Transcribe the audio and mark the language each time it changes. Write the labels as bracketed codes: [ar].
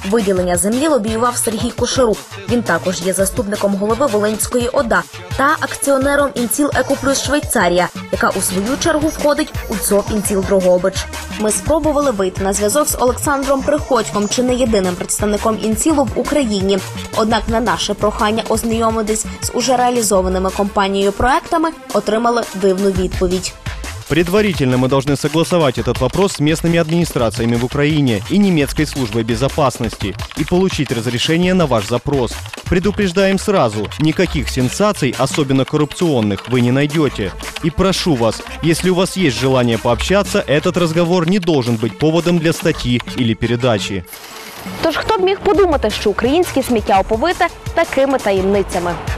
[uk] Виділення землі лобіював Сергій Кошарук. Він також є заступником голови Волинської ОДА та акціонером «Інціл Еко Плюс Швейцарія», яка у свою чергу входить у ЦОВ «Інціл Дрогобич». Ми спробували вийти на зв'язок з Олександром Приходьком, чи не єдиним представником «Інцілу» в Україні. Однак на наше прохання ознайомитись з уже реалізованими компанією проектами отримали дивну відповідь. [ru] Предварительно мы должны согласовать этот вопрос с местными администрациями в Украине и немецкой службой безопасности и получить разрешение на ваш запрос. Предупреждаем сразу, никаких сенсаций, особенно коррупционных, вы не найдете. И прошу вас, если у вас есть желание пообщаться, этот разговор не должен быть поводом для статьи или передачи. [uk] Тож, [ru] кто б [uk] міг подумати, що українське сміття оповите такими таємницями?